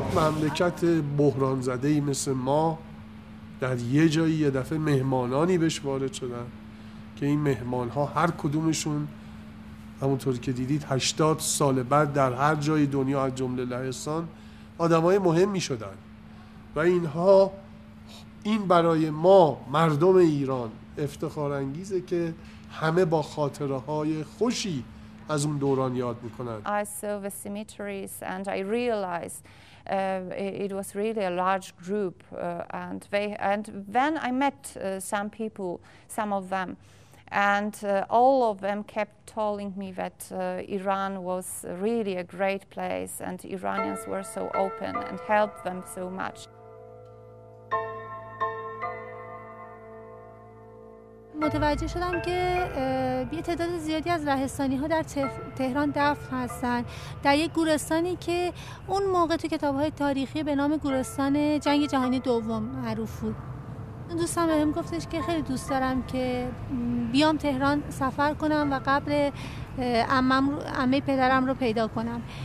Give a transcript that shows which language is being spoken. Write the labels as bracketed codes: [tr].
[fa] مملکت بحران زده ای مثل ما در یه جایی یه دفعه مهمانانی بهش وارد شدن که این مهمان ها هر کدومشون همونطور که دیدید 80 سال بعد در هر جای دنیا از جمله لهستان آدم های مهم می شدن. و اینها این برای ما مردم ایران افتخار انگیزه که همه با خاطره های خوشی از اون دوران یاد میکنن. [en] I saw the cemeteries and I realized it was really a large group and when I met some people, some of them, and all of them kept telling me that Iran was really a great place and Iranians were so open and helped them so much. [fa] متوجه شدم که یه تعداد زیادی از لهستانی ها در تهران دفن هستن در یک گورستانی که اون موقع تو کتاب های تاریخی به نام گورستان جنگ جهانی دوم معروف بود. دوستم بهم گفتش که خیلی دوست دارم که بیام تهران سفر کنم و قبر عمه پدرم رو پیدا کنم.